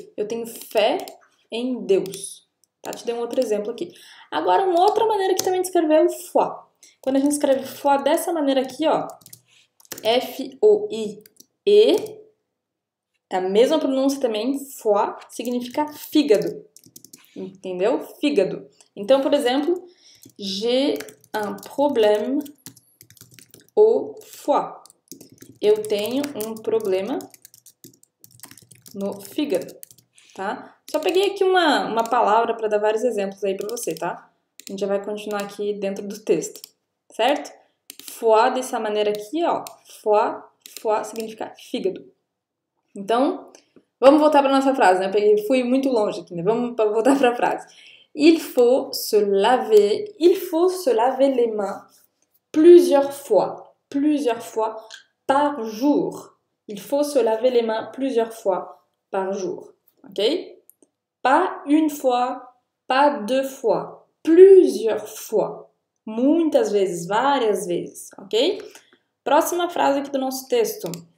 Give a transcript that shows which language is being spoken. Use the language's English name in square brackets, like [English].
[Portuguese] Eu tenho fé em Deus. Tá? Te dei um outro exemplo aqui. Agora, uma outra maneira que também de escrever é o foi. Quando a gente escreve foi dessa maneira aqui, ó. F-O-I-E. A mesma pronúncia também. Foi significa fígado. Entendeu? Fígado. Então, por exemplo, [French] j'ai un problème au foie. [Portuguese] Eu tenho um problema no fígado, tá? Só peguei aqui uma palavra para dar vários exemplos aí para você, tá? A gente já vai continuar aqui dentro do texto, certo? Foie dessa maneira aqui, ó. Foie significa fígado. Então, vamos voltar para nossa frase, né? Eu fui muito longe aqui, né? Vamos voltar para a frase. [French] Il faut se laver les mains plusieurs fois par jour. Il faut se laver les mains plusieurs fois par jour. OK? Pas une fois, pas deux fois, plusieurs fois. [Portuguese] Muitas vezes, várias vezes, OK? Próxima frase aqui do nosso texto.